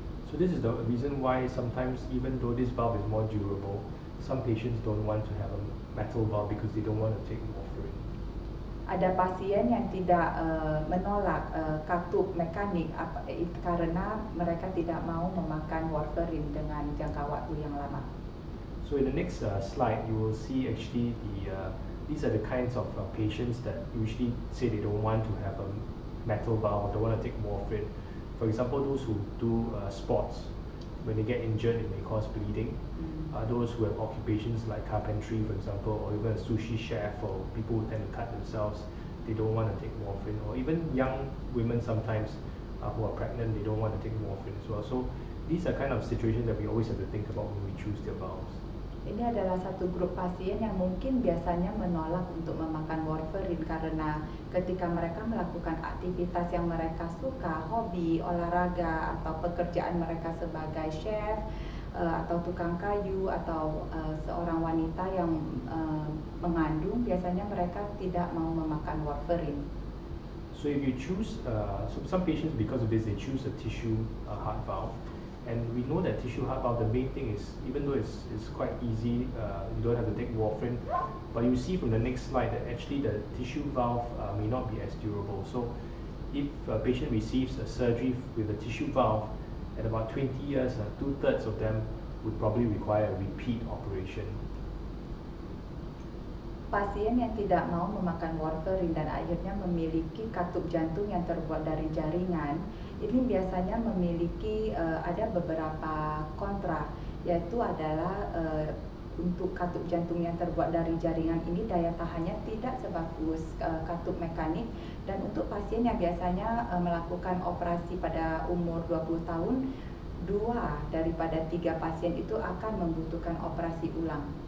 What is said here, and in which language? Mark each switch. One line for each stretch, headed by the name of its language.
English: So this is the reason why sometimes even though this valve is more durable, some patients don't want to have a metal valve because they don't want to take warfarin.
Indonesian: Ada pasien yang tidak menolak katup mekanik karena mereka tidak mau memakan warfarin dengan jangka waktu yang lama.
English: So in the next slide, you will see actually these are the kinds of patients that usually say they don't want to have a metal valve or don't want to take warfarin. For example, those who do sports. When they get injured, it may cause bleeding. Mm-hmm. Those who have occupations like carpentry, for example, or even a sushi chef, or people who tend to cut themselves, they don't want to take warfarin. Or even young women sometimes who are pregnant, they don't want to take warfarin as well. So these are kind of situations that we always have to think about when we choose their valves.
Indonesian: Ini adalah satu grup pasien yang mungkin biasanya menolak untuk memakan warfarin karena ketika mereka melakukan aktivitas yang mereka suka, hobi, olahraga, atau pekerjaan mereka sebagai chef, atau tukang kayu, atau seorang wanita yang mengandung, biasanya mereka tidak mau memakan warfarin.
English: So if you choose, so some patients because of this, they choose a tissue heart valve. And we know that tissue heart valve, the main thing is, even though it's quite easy, you don't have to take warfarin, but you see from the next slide that actually the tissue valve may not be as durable. So if a patient receives a surgery with a tissue valve, at about 20 years, two-thirds of them would probably require a repeat operation.
Indonesian: Pasien yang tidak mau memakan warfarin dan akhirnya memiliki katup jantung yang terbuat dari jaringan, ini biasanya memiliki ada beberapa kontra, yaitu adalah untuk katup jantung yang terbuat dari jaringan ini daya tahannya tidak sebagus katup mekanik, dan untuk pasien yang biasanya melakukan operasi pada umur 20 tahun, 2 daripada 3 pasien itu akan membutuhkan operasi ulang.